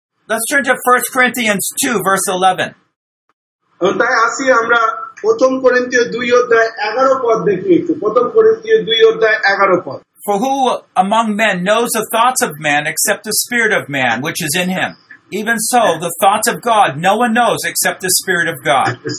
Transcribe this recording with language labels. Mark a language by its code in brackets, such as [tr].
[en] Let's turn to 1 Corinthians 2 verse 11. [bn] তাই আসি আমরা প্রথম করিন্থীয় 2 অধ্যায় 11 পদ দেখি একটু। প্রথম করিন্থীয় 2 অধ্যায় 11 পদ। [en] For who among men knows the thoughts of man except the spirit of man which is in him? Even so, the thoughts of God no one knows except the Spirit of God.